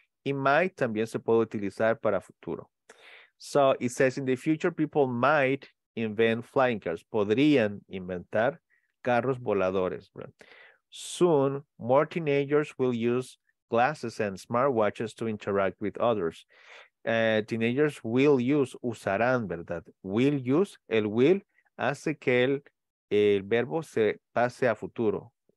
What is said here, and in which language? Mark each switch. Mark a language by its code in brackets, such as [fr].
[es] Y might también se puede utilizar para futuro. [en] So it says in the future, people might invent flying cars. [es] Podrían inventar carros voladores. [en] Soon, more teenagers will use glasses and smartwatches to interact with others. Teenagers will use, [es] usarán, ¿verdad? [en] Will use, [es] el will hace que el verbo se pase a futuro.